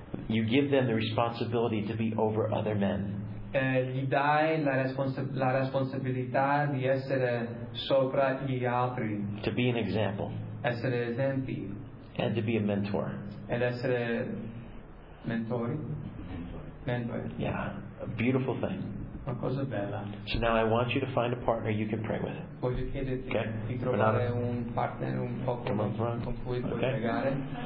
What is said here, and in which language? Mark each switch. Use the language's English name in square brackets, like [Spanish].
[English] You give them the responsibility to be over other men. [Italian] Gli dai la responsabilità di essere sopra gli altri. [English] To be an example. [Italian] Essere esempi. [English] And to be a mentor. [Italian] Ed essere mentori. [English] Yeah, a beautiful thing. [Italian] Una cosa bella. [English] So now I want you to find a partner you can pray with. [Italian] Voglio chiederti di trovare un partner un po' con cui puoi pregare.